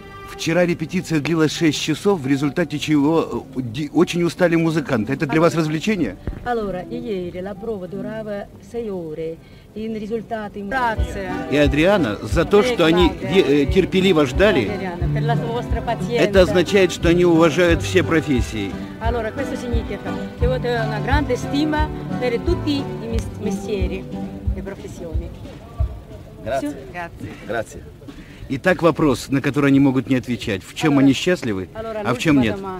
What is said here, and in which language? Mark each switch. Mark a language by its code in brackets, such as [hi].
[ru] Вчера репетиция длилась 6 часов, в результате чего очень устали музыканты. Это для вас развлечение? [it] Allora, ieri la prova durava 6 ore. In risultati. Grazie. [ru] И Адриана за то, что они терпеливо ждали. Это означает, что они уважают все профессии. [it] Allora, questo significa che voi avete una grande stima per tutti i mestieri e professioni. Grazie. Grazie. [ru] Итак, вопрос, на который они могут не отвечать. В чем они счастливы, а в чем нет?